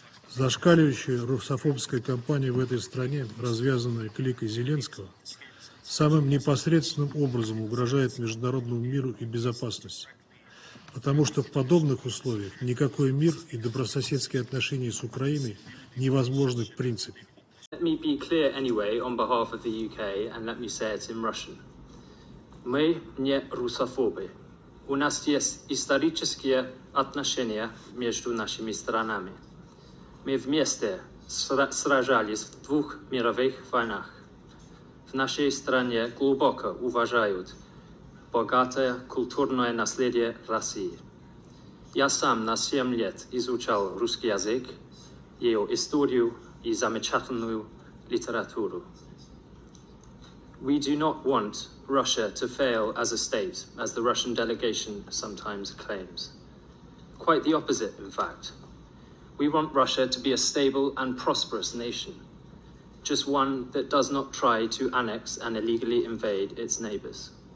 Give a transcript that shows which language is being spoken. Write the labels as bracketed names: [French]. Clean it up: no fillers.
[Russian] Зашкаливающая русофобская кампания в этой стране, развязанная кликой Зеленского, самым непосредственным образом угрожает международному миру и безопасности. Потому что в подобных условиях никакой мир и добрососедские отношения с Украиной невозможны в принципе. [English] Let me be clear anyway on behalf of the UK, and let me say it in Russian. [Russian] Мы не русофобы. У нас есть исторические отношения между нашими странами. Мы вместе сражались в двух мировых войнах. В нашей стране глубоко уважают богатое культурное наследие России. Я сам на 7 лет изучал русский язык, ее историю и замечательную литературу. [English] We do not want Russia to fail as a state, as the Russian delegation sometimes claims. Quite the opposite, in fact. We want Russia to be a stable and prosperous nation, just one that does not try to annex and illegally invade its neighbors.